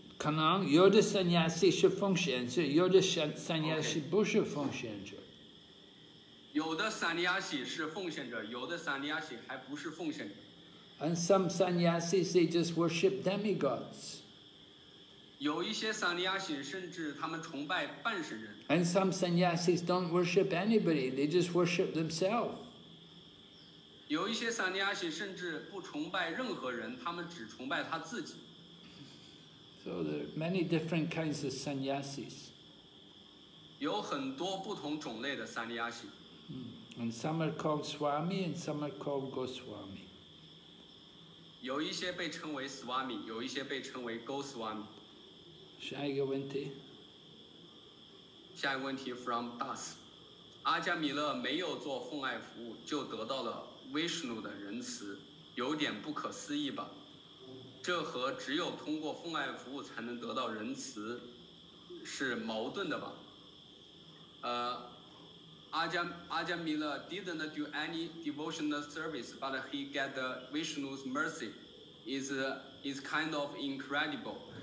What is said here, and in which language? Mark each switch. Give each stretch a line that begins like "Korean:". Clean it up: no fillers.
Chinese: 可能有的圣亚西是奉献者，有的圣亚西不是奉献者。有的圣亚西是奉献者，有的圣亚西还不是奉献者。
English: And some sannyasis they just worship demigods.
Chinese: 有一些圣亚西甚至他们崇拜半神人。
English: And some sannyasis don't worship anybody, they just worship themselves.
Chinese: 有一些圣亚西甚至不崇拜任何人，他们只崇拜他自己。
English: So there are many different kinds of sannyasis.
Chinese: 有很多不同种类的三利亚西。
English: And some are called Swami and some are called Goswami.
Chinese: 有一些被称为 Swami, 有一些被称为 Goswami. 下一个问题。下一个问题 from Das. 阿加米勒没有做奉爱服务就得到了 Vishnu 的仁慈，有点不可思议吧？这和只有通过奉爱服务才能得到仁慈是矛盾的吧？
English: 阿加米勒 didn't do any devotional service, but he got the Vishnu's mercy. Is kind of incredible.